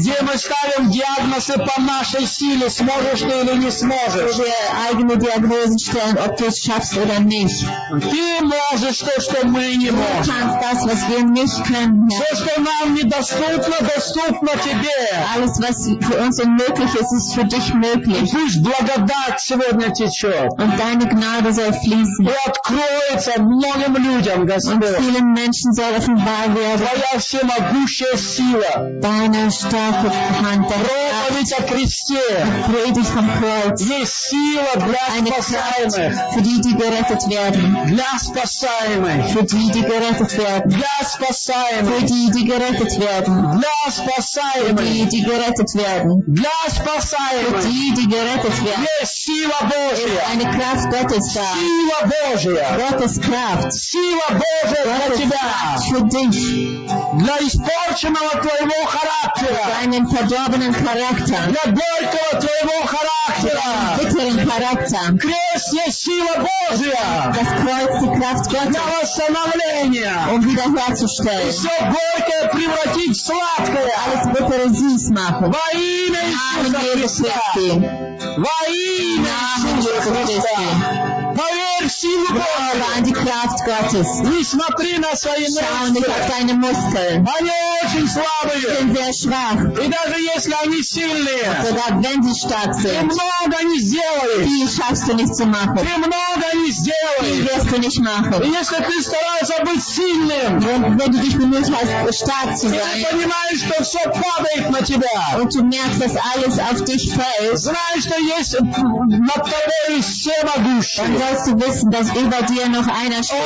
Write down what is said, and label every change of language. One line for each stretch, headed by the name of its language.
Russian: Где мы ставим диагнозы по нашей силе, сможешь ты или не сможешь. Где
German: eigene Diagnosen stellen, ob du es schaffst oder nicht.
Russian: Ты можешь то, что мы не можем.
German: Du kannst das, was wir nicht können.
Russian: Все, что нам недоступно, доступно тебе.
German: Alles, was für uns unmöglich ist, ist für dich möglich.
Russian: Пусть благодать сегодня течет.
German: Und deine Gnade soll fließen.
Russian: И откроется многим людям, Господь.
German: Und vielen Menschen soll offenbar werden.
Russian: Всемогущая сила.
German: Deine starke Hand.
Russian: Проповедь о кресте.
German: Predigt vom Kreuz.
Russian: Есть сила для спасаемых.
German: Für die, die gerettet werden.
Russian: Для спасаемых.
German: Für die, die gerettet werden.
Russian: Для спасаемых.
German: Für die, die gerettet werden.
Russian: Для спасаемых.
German: Für die, die gerettet werden.
Russian: Для спасаемых.
German: Für die, die gerettet werden.
Russian: Есть сила Божия.
German: Eine Kraft Gottes da.
Russian: Сила Божия.
German: Gottes Kraft.
Russian: Сила Божия для тебя.
German: Für dich.
Russian: Для испорченного твоего характера. Для
German: deinen verdorbenen Charakter.
Russian: Для горького твоего характера. Для
German: bitteren Charakter.
Russian: Крест есть сила Божия.
German: Das Kreuz, die Kraft Gottes.
Russian: На восстановление.
German: Um wiederherzustellen.
Russian: И все горькое превратить в сладкое.
German: Alles bittere süß machen.
Russian: Во имя Иисуса Христа. Во имя Иисуса Христа. Поверь в силу Божию.
German: An die Kraft Gottes.
Russian: Не смотри на свои мышцы. Они очень слабые.
German: Sind sehr schwach.
Russian: И даже если они сильные.
German: Und sogar wenn sie stark sind.
Russian: Ты много не сделаешь.
German: Viel schaffst du nicht zu machen.
Russian: Ты много не сделаешь.
German: Viel wirst du nicht machen.
Russian: И если ты стараешься быть сильным.
German: Wenn du dich bemüht hast, stark zu sein.
Russian: И ты понимаешь, что все падает на тебя.
German: Und du merkst, dass alles auf dich fällt.
Russian: Знаешь, что есть над тобой всемогущий.
German: Dann sollst du wissen, dass über dir noch einer steht,